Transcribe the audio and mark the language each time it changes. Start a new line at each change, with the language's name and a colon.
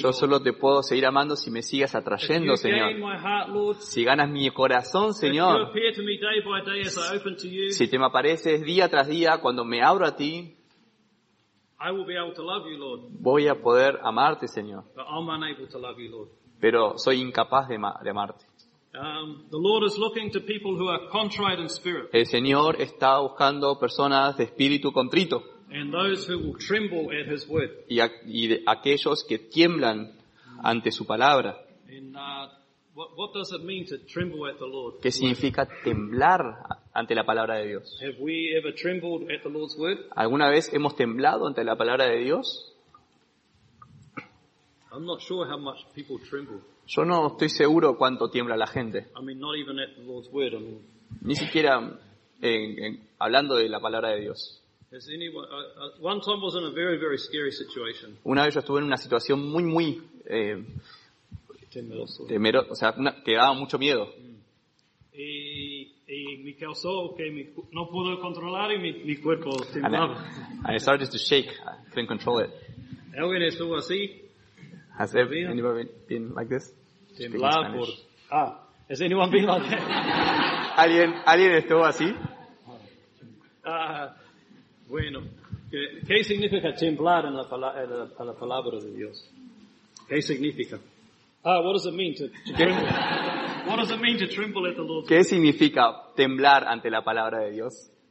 Spanish: Yo solo te puedo seguir amando si me sigas atrayendo, Señor.
English: If you gain my heart, Lord.
Spanish: Si ganas mi corazón, Señor.
English: If you appear to me day by day as I open to you.
Spanish: Si te me apareces día tras día cuando me abro a ti.
English: I will be able to love you, Lord.
Spanish: Voy a poder amarte, Señor.
English: But I'm unable to love you, Lord.
Spanish: Pero soy incapaz de amarte.
English: The Lord is looking to people who are contrite in spirit.
Spanish: El Señor está buscando personas de espíritu contrito.
English: And those who will tremble at his word.
Spanish: Y de aquellos que tiemblan ante su palabra.
English: And, what does it mean to tremble at the Lord?
Spanish: ¿Qué significa temblar ante la palabra de Dios?
English: Have we ever trembled at the Lord's word?
Spanish: ¿Alguna vez hemos temblado ante la palabra de Dios?
English: I'm not sure how much people tremble.
Spanish: Yo no estoy seguro cuánto tiembla la gente.
English: I mean, not even at the Lord's word. I mean,
Spanish: ni siquiera en hablando de la palabra de Dios.
English: Has anyone, one time was in a very, very scary situation.
Spanish: Una vez yo estuve en una situación muy, muy temeroso, o sea, que daba mucho miedo. Y me causó que no pude controlar y mi cuerpo temblaba.
English: I started to shake. I couldn't control it.
Spanish: ¿Alguien estuvo así?
English: Has anybody been like this?
Spanish: Temblaba por...
English: Ah, has anyone been like that?
Spanish: ¿Alguien estuvo así? Bueno, ¿qué significa temblar en la palabra de Dios? ¿Qué significa?
English: What does it mean to tremble? What does it mean to tremble at the Lord's word?
Spanish: ¿Qué significa temblar ante la palabra de Dios?